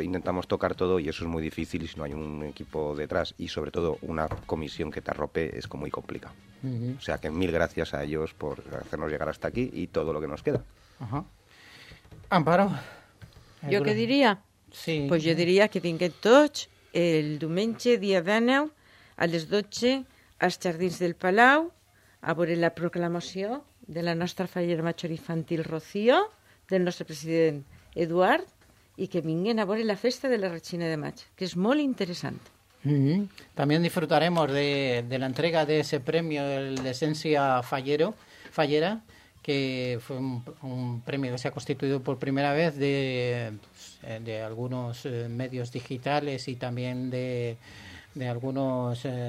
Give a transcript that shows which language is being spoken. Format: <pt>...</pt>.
<es>Intentamos tocar todo y eso es muy difícil si no hay un equipo detrás. Y sobre todo, una comisión que te arrope es como muy complicado. O sea que mil gracias a ellos por hacernos llegar hasta aquí y todo lo que nos queda. Amparo. ¿Yo qué diria? Sí. Pues</es> <ca>jo diria que tinguem tots el diumenge dia 19 a les 12 als Jardins del Palau a veure la proclamació de la nostra Falla Major Infantil Rocío, del nostre president Eduard, i que vinguem a veure la festa de la Regina de Maig, que és molt interessant.</ca> <es>También disfrutaremos de la entrega de ese premio de l'essència fallera, que fue un premio que se ha constituido por primera vez de algunos medios digitales y también de algunos</es>